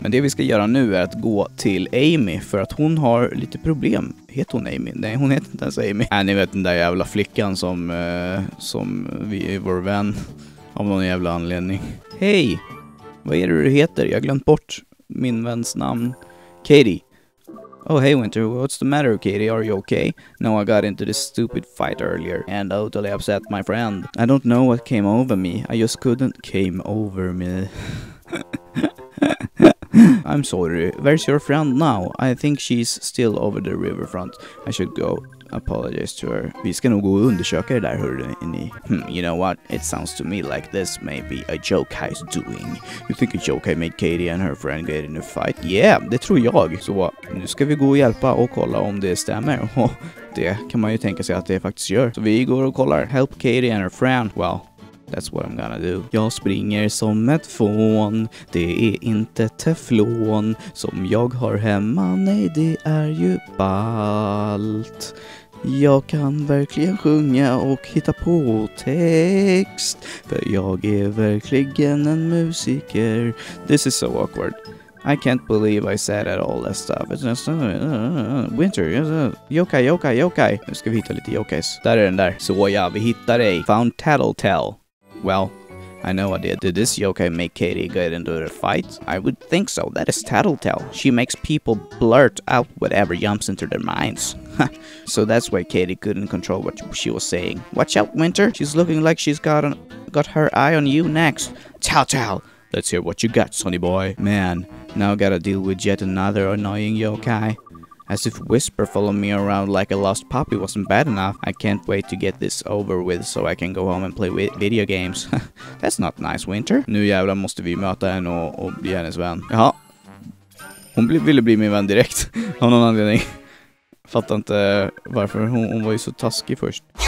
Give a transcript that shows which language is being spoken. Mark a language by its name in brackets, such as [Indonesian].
[Swedish] Men det vi ska göra nu är att gå till Amy. För att hon har lite problem. Heter hon Amy? Nej, hon heter inte ens Amy. Ni vet den där jävla flickan som vi är vår vän. Av någon jävla anledning. Hej! Vad är det du heter? Jag har glömt bort min väns namn. [English] Katie. Oh, hey, Winter. What's the matter, Katie? Are you okay? No, I got into this stupid fight earlier and totally upset my friend. I don't know what came over me. I just couldn't came over me. I'm sorry. Where's your friend now? I think she's still over the riverfront. I should go apologize to her. [Swedish] Vi ska nog gå och undersöka det där, hörde ni. [English] You know what? It sounds to me like this may be a yokai is doing. You think a yokai made Katie and her friend get in a fight? [Swedish] Yeah, det tror jag. Så nu ska vi gå och hjälpa och kolla om det stämmer. Och det kan man ju tänka sig att det faktiskt gör. Så vi går och kollar. [English] Help Katie and her friend. Well, that's what I'm gonna do. [Swedish] Jag springer som ett fån. Det är inte teflon som jag har hemma. Nej, det är ju balt. Jag kan verkligen sjunga och hitta på text. För jag är verkligen en musiker. [English] This is so awkward. I can't believe I said it all that stuff. It's winter. Yokai, yokai, yokai. [Swedish] Nu ska vi hitta lite yokais. Där är den där. Så ja, vi hittar dig. [English] Found Tattletale. Well, I know I did. Did this yokai make Katie get into a fight? I would think so. That is Tattletale. She makes people blurt out whatever jumps into their minds. So that's why Katie couldn't control what she was saying. Watch out, Winter. She's looking like she's got her eye on you next. Tattletale. Let's hear what you got, sonny boy. Man, now I gotta deal with yet another annoying yokai. As if Whisper followed me around like a lost puppy wasn't bad enough. I can't wait to get this over with so I can go home and play video games. That's not nice, Winter. [Swedish] Nu jävlar måste vi möta henne och bli hennes vän. Jaha. Hon ville bli min vän direkt. Av någon anledning. Fattar inte varför. Hon var ju så taskig först.